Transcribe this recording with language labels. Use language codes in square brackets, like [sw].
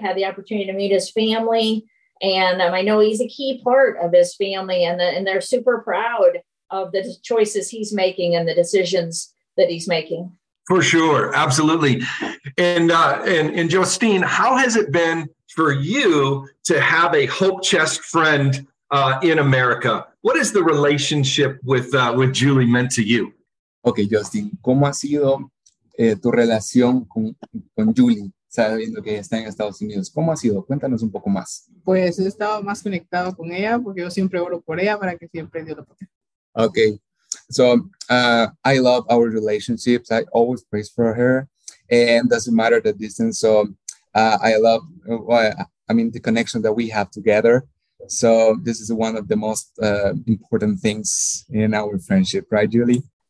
[en] I've had the opportunity to meet his family, and I know he's a key part of his family, and they're super proud of the choices he's making and the decisions that he's making. For sure, absolutely. And Justine, how has it been for you to have a HopeChest friend in America? What is the relationship with Julie meant to you? [es] Okay, Justine, ¿cómo ha sido tu relación con Julie, sabiendo que está en Estados Unidos? ¿Cómo ha sido? Cuéntanos un poco más. Pues he estado más conectado con ella porque yo siempre oro por ella para que siempre Dios lo proteja. [en] Okay. So I love our relationships. I always pray for her, and doesn't matter the distance. So I love the connection that we have together. So this is one of the most important things in our friendship, right, Julie?